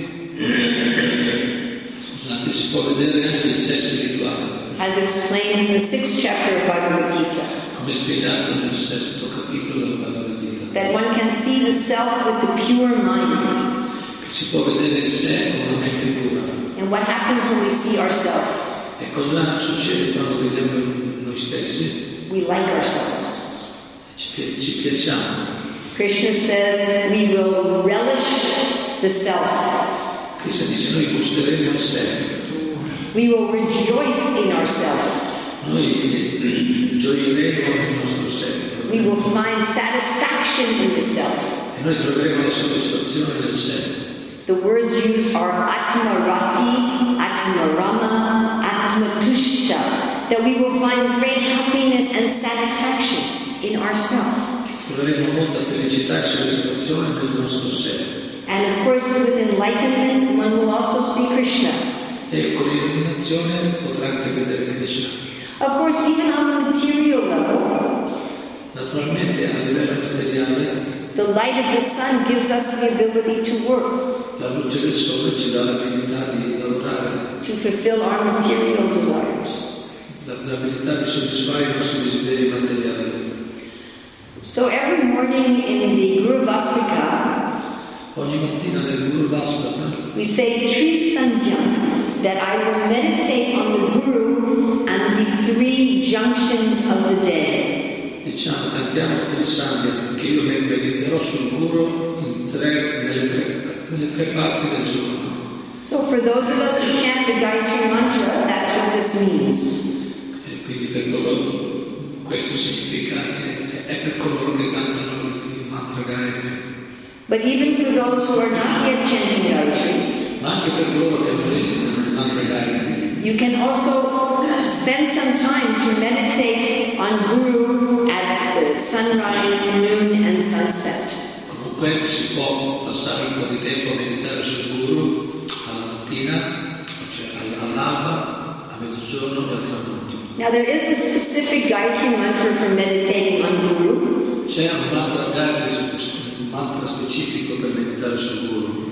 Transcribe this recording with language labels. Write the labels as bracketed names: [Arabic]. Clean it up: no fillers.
[Italian] Scusate, si può vedere anche il sé spirituale. [English] As explained in the sixth chapter of Bhagavad Gita. [Italian] Come spiegato nel sesto capitolo della Bhagavad Gita. [English] That one can see the self with the pure mind. [Italian] Si può vedere il sé con la mente pura. [English] And what happens when we see ourselves? [Italian] E cosa succede quando vediamo noi stessi? [English] We like ourselves. [Italian] Ci piacciamo. [English] Krishna says we will relish the self. [Italian] Krishna dice noi gusteremo il sé. [English] We will rejoice in ourselves. [Italian] Noi gioiremo nel nostro sé. [English] We will find satisfaction in the self. [Italian] E noi troveremo la soddisfazione nel sé. [English] The words used are atmarati, atmarama, atmatushita, that we will find great happiness and satisfaction in ourselves. [Italian] Troveremo molta felicità e soddisfazione nel nostro sé. [English] And of course, with enlightenment, one will also see Krishna. [Italian] E con l'illuminazione potrà anche vedere Krishna. [English] Of course, even on the material level. [Italian] Naturalmente, a livello materiale. [English] The light of the sun gives us the ability to work. [Italian] La luce del sole ci dà l'abilità di lavorare. [English] To fulfill our material desires. [Italian] L'abilità di soddisfare i nostri desideri materiali. [English] So every morning in the Guru Vastika, [Italian] ogni mattina nel Guru Vastika, [English] we say Trisandhyam, that I will meditate on the Guru and the three junctions of the day. [Italian] Diciamo, cantiamo Trisandhyam, che io mi mediterò sul Guru in nelle tre parti del giorno. [English] So for those of us who chant the Gayatri Mantra, that's what this means. [Italian] E quindi per coloro, questo significa che è per coloro che cantano il mantra Gayatri. [English] But even for those who are not yet chanting Gayatri, [Italian] ma anche per coloro che non recitano il mantra Gayatri, [English] you can also spend some time to meditate on Guru at the sunrise, noon and sunset. [Italian] Comunque si può passare un po' di tempo a meditare sul Guru alla mattina, cioè all'alba, a mezzogiorno e al tramonto. [English] Now there is a specific Gayatri mantra for meditating on Guru. [Italian] C'è un mantra Gayatri, un mantra specifico per meditare sul Guru.